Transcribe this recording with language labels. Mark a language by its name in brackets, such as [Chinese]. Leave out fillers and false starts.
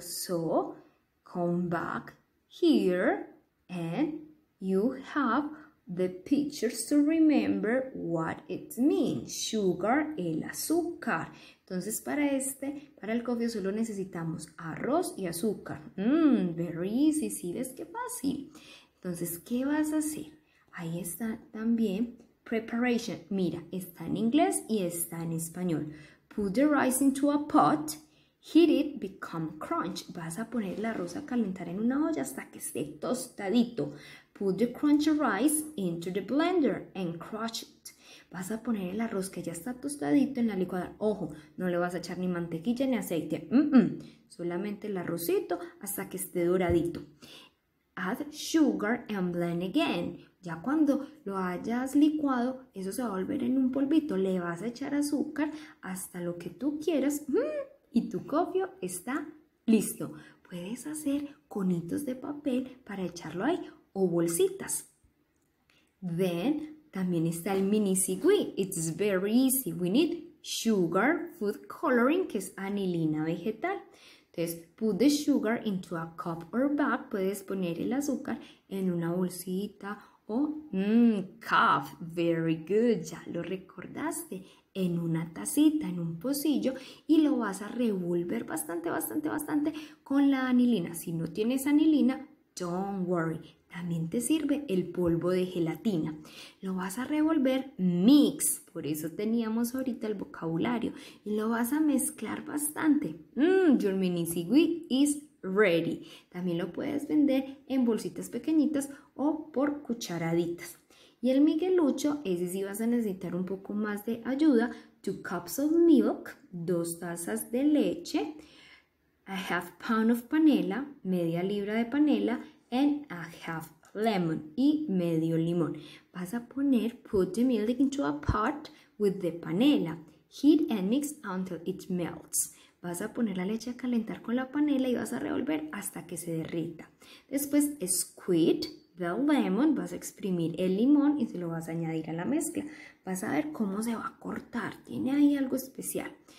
[English] So, come back here and you have the pictures to remember what it means. Sugar, [Spanish] el azúcar. Entonces, para el coffee solo necesitamos arroz y azúcar. [English] Very easy, [Spanish] sí, ves qué fácil. Entonces, ¿qué vas a hacer? Ahí está también preparation. Mira, está en inglés y está en español. [English] Put the rice into a pot. Heat it, become crunch. [Spanish] Vas a poner el arroz a calentar en una olla hasta que esté tostadito. [English] Put the crunchy rice into the blender and crush it. [Spanish] Vas a poner el arroz que ya está tostadito en la licuadora. Ojo, no le vas a echar ni mantequilla ni aceite. Solamente el arrocito hasta que esté doradito. [English] Add sugar and blend again. [Spanish] Ya cuando lo hayas licuado, eso se va a volver en un polvito. Le vas a echar azúcar hasta lo que tú quieras. Y tu coffee está listo. Puedes hacer conitos de papel para echarlo ahí o bolsitas. [English] Then, [Spanish] también está el mini cigüí. [English] It's very easy. We need sugar, food coloring, [Spanish] que es anilina vegetal. Entonces, [English] put the sugar into a cup or bag. [Spanish] Puedes poner el azúcar en una bolsita o cup. [English] Very good. [Spanish] Ya lo recordaste. En una tacita, en un pocillo, y lo vas a revolver bastante, bastante, bastante con la anilina. Si no tienes anilina, [English] don't worry. [Spanish] También te sirve el polvo de gelatina. Lo vas a revolver, mix. Por eso teníamos ahorita el vocabulario. Y lo vas a mezclar bastante. [English] Your mini cigüí is ready. [Spanish] También lo puedes vender en bolsitas pequeñitas o por cucharaditas. Y el miguelucho, ese sí vas a necesitar un poco más de ayuda. [English] 2 cups of milk, [Spanish] 2 tazas de leche, [English] 1/2 pound of panela, [Spanish] 1/2 libra de panela, [English] and 1/2 lemon, [Spanish] y 1/2 limón. Vas a poner, [English] put the milk into a pot with the panela. Heat and mix until it melts. [Spanish] Vas a poner la leche a calentar con la panela y vas a revolver hasta que se derrita. Después, [English] squeeze the lemon, [Spanish] vas a exprimir el limón y se lo vas a añadir a la mezcla. Vas a ver cómo se va a cortar, tiene ahí algo especial.